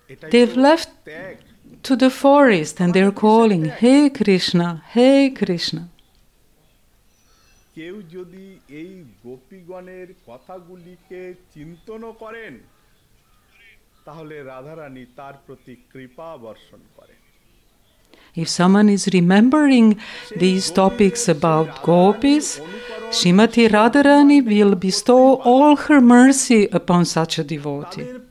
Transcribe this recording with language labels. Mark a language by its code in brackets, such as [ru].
[en] They've left to the forest and they're calling, Hey Krishna, Hey Krishna. [bn] কেউ যদি এই গোপীগণের কথাগুলিকে চিন্তন করেন তাহলে রাধারানী তার প্রতি কৃপা বর্ষণ করেন। [en] If someone is remembering these topics about gopis, Srimati Radharani will bestow all her mercy upon such a devotee.